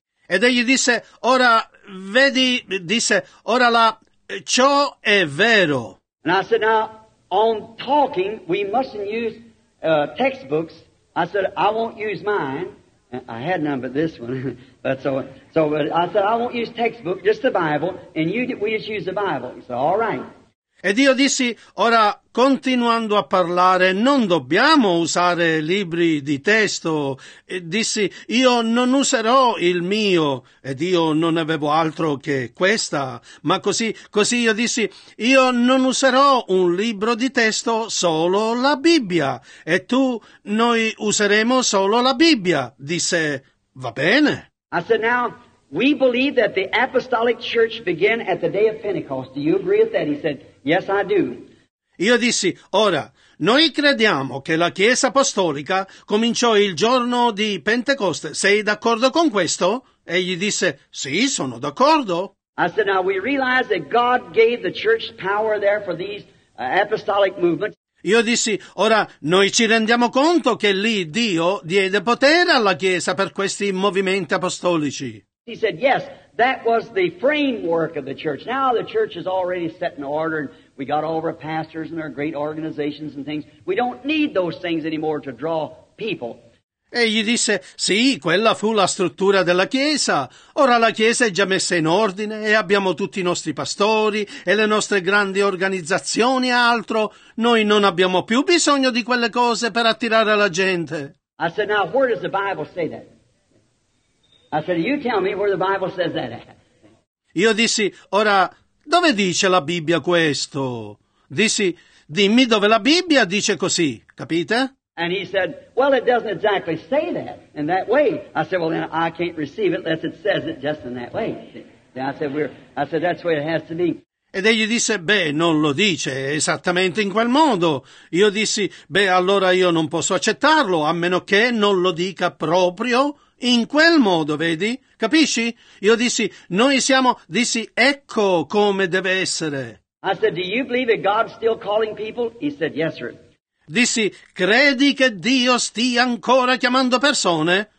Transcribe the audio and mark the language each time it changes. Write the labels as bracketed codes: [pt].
[it] Ed egli disse, ora vedi, disse, ora là, ciò è vero. [en] And I said, now, on talking, we mustn't use textbooks. I said, I won't use mine. I had none but this one. But but I said, I won't use textbook, just the Bible, and we just use the Bible. He said, all right. [it] Ed io dissi, ora, continuando a parlare, non dobbiamo usare libri di testo. E dissi, io non userò il mio, ed io non avevo altro che questa. Ma così io dissi, io non userò un libro di testo, solo la Bibbia. E tu, noi useremo solo la Bibbia. Disse, va bene. [en] I said, now, we believe that the apostolic church began at the day of Pentecost. Do you agree with that? He said, yes, I do. [it] Io dissi, ora, noi crediamo che la Chiesa Apostolica cominciò il giorno di Pentecoste. Sei d'accordo con questo? Egli disse, sì, sono d'accordo. [en] I said, now we realize that God gave the church power there for these apostolic movements. [it] Io dissi, ora, noi ci rendiamo conto che lì Dio diede potere alla Chiesa per questi movimenti apostolici. [en] He said, yes. That was the framework of the church. Now the church is already set in order, and we got all of our pastors and our great organizations and things. We don't need those things anymore to draw people. [it] E gli disse, sì, quella fu la struttura della Chiesa. Ora la Chiesa è già messa in ordine e abbiamo tutti i nostri pastori e le nostre grandi organizzazioni e altro. Noi non abbiamo più bisogno di quelle cose per attirare la gente. [en] I said, now where does the Bible say that? I said, you tell me where the Bible says that. [it] Io dissi, ora, dove dice la Bibbia questo? Dissi, dimmi dove la Bibbia dice così, capite? [en] And he said, well, it doesn't exactly say that in that way. I said, well, then I can't receive it unless it says it just in that way. I said, that's the way it has to be. [it] Ed egli disse, non lo dice esattamente in quel modo. Io dissi, allora io non posso accettarlo, a meno che non lo dica proprio in quel modo, vedi? Capisci? Io dissi, dissi, ecco come deve essere. [en] I said, do you believe that God's still calling people? He said, yes, sir. [it] Dissi, credi che Dio stia ancora chiamando persone?